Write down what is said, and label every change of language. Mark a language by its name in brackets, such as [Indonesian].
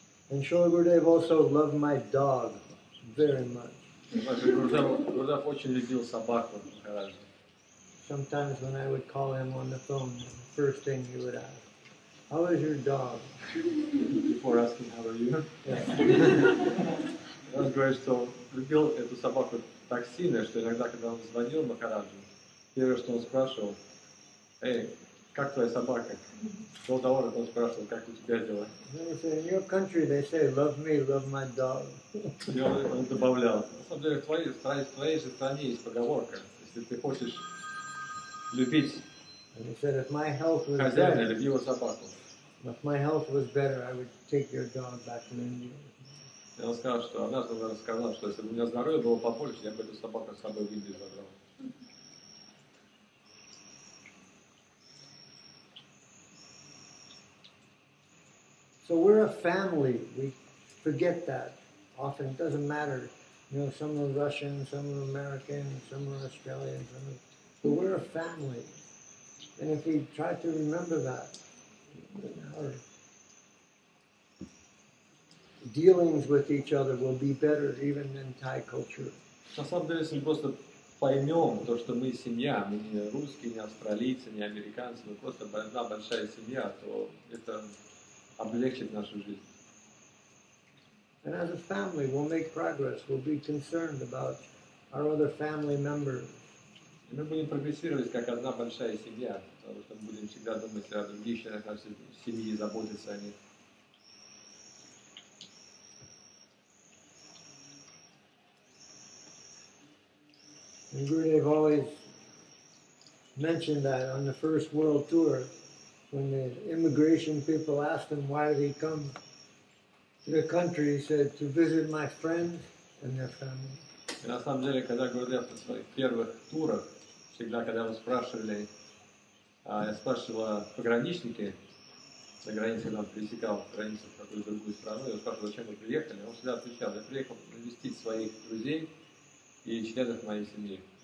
[English] And Srila Gurudev also loved my dog very much. [Russian] Gurudev очень любил собаку. [English] Sometimes when I would call him on the phone, the first thing he would ask, "How is your dog?" Before asking, "How are you?" Yeah. [Russian] Он говорит, что любил эту собаку так сильно, что иногда, когда он звонил Махараджу, первое, что он спрашивал: «Эй, как твоя собака?» Долговор, он спрашивал, как у тебя дела? [English] In your country, they say, love me, love my dog. [Russian] И он добавлял: на самом деле, в твоей же стране есть поговорка, если ты хочешь любить хозяина, люби его собаку. [English] If my health was better, I would take your dog back to India. [Russian] И он сказал, что однажды он сказал, что если бы у меня здоровье было побольше, я бы эту собаку с собой в Индию забрал. [English] So we're a family. We forget that often. It doesn't matter. You know, some are Russian, some are American, some are Australian. But we're a family. And if we try to remember that, our dealings with each other will be better even than Thai culture. [Russian] На самом деле, если мы просто поймем то, что мы семья, мы не русские, не австралийцы, не американцы, мы просто одна большая семья, то это облегчит нашу жизнь. [English] And as a family, we'll make progress. We'll be concerned about our other family members. [Russian] И мы будем прогрессировать как одна большая семья, потому что мы будем всегда думать о других членах нашей семьи, заботиться о них. [English] And Gurudev always mentioned that on the first world tour, when the immigration people asked him why did he come to the country, he said, to visit my friends and their family. [Russian] И на самом деле, когда Гурдев на своих первых турах, всегда, когда его спрашивали, я спрашивал пограничники на границе, он пересекал границу в какую-то другую страну, я спрашивал, зачем вы приехали, он всегда отвечал, я приехал навестить своих друзей и членов моей семьи.